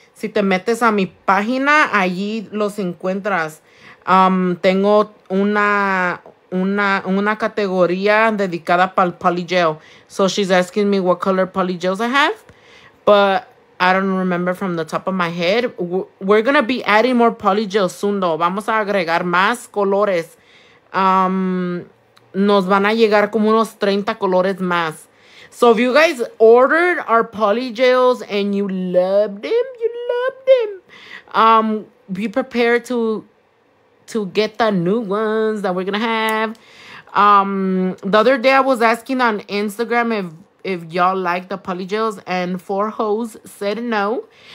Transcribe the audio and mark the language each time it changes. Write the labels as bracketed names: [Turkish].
[Spanish] Si te metes a mi página, allí los encuentras. Tengo una categoría dedicada para el poly gel. [English] So she's asking me what color poly gels I have. But I don't remember from the top of my head. We're gonna be adding more poly gel soon, though. [Spanish] Vamos a agregar más colores. Nos van a llegar como unos 30 colores más. [English] So if you guys ordered our poly gels and you loved them, be prepared to get the new ones that we're gonna have. The other day I was asking on Instagram if y'all like the poly gels, and four hoes said no.